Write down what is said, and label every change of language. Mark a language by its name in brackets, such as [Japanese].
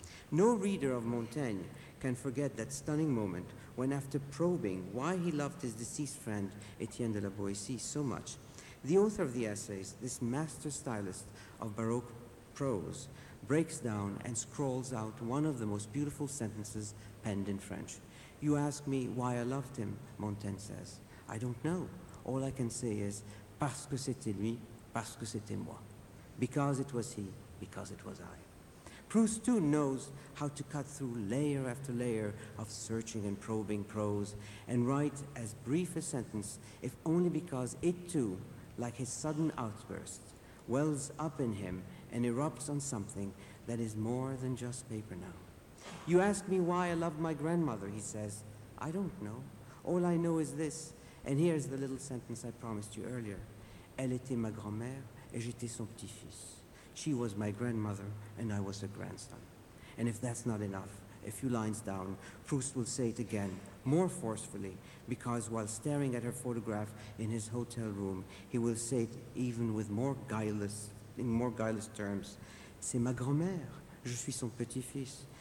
[English] No reader of Montaigne can forget that stunning moment when, after probing why he loved his deceased friend Etienne de la Boétie so much, the author of the essays, this master stylist of Baroque prose, breaks down and scrawls out one of the most beautiful sentences penned in French. "You ask me why I loved him," Montaigne says. "I don't know. All I can say is, [French] parce que c'était lui, parce que c'était moi. [English] Because it was he, because it was I." Proust, too, knows how to cut through layer after layer of searching and probing prose and write as brief a sentence, if only because it, too, like his sudden outburst, wells up in him and erupts on something that is more than just paper now. "You ask me why I love my grandmother," he says. "I don't know. All I know is this." And here's the little sentence I promised you earlier. [French] "Elle était ma grand-mère et j'étais son petit-fils." [English] She was my grandmother and I was her grandson. And if that's not enough, a few lines down, Proust will say it again, more forcefully, because while staring at her photograph in his hotel room, he will say it even with more guileless, in more guileless terms. [French] "C'est ma grand-mère, je suis son petit-fils.